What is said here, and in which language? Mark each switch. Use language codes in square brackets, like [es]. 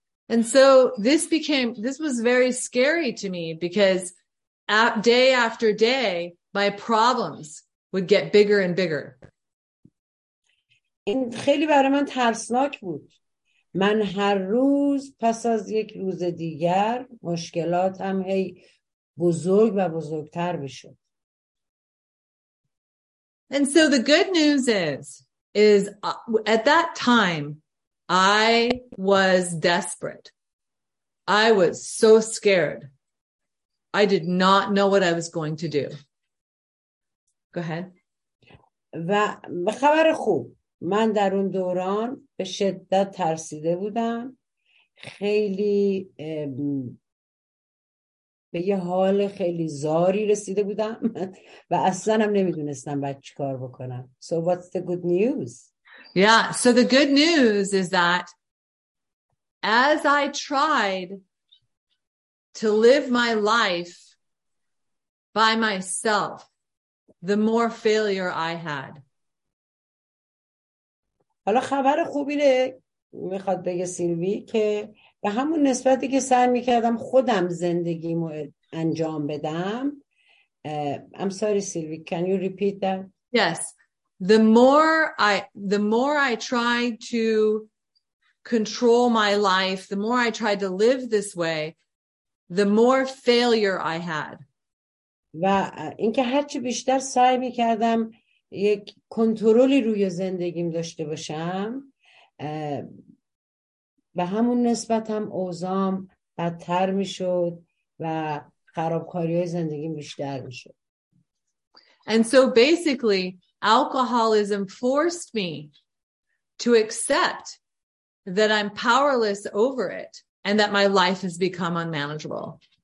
[en] And so this was very scary to me because day after day my problems would get bigger and bigger. [fa] این خیلی برای من ترسناک بود. من هر روز پس از یک روز دیگر مشکلاتم هی بزرگ و بزرگتر می‌شد. [en] And so the good news is at that time I was desperate. I was so scared. I did not know what I was going to do. Go ahead. [fa] و خبر خوب، من در اون دوران به شدت ترسیده بودم، خیلی به یه حال خیلی زاری رسیده بودم و اصلا هم نمیدونستم بعد چی کار بکنم. [en] So what's the good news? Yeah, so the good news is that as I tried to live my life by myself, the more failure I had. [fa] حالا خبر خوب اینه، میخواد بگه سیلوی، که به همون نسبتی که سعی میکردم خودم زندگیمو انجام بدم. [en] I'm sorry, Sylvie, can you repeat that? Yes. The more I tried to control my life, the more I tried to live this way, the more failure I had. [fa] و اینکه هرچی بیشتر سعی میکردم یک کنترلی روی زندگیم داشته باشم، به همون نسبت هم اوزام بدتر میشد و خرابکاری های زندگیم بیشتر میشد. [en] And so basically alcoholism forced me to accept that I'm powerless over it and that my life has become unmanageable.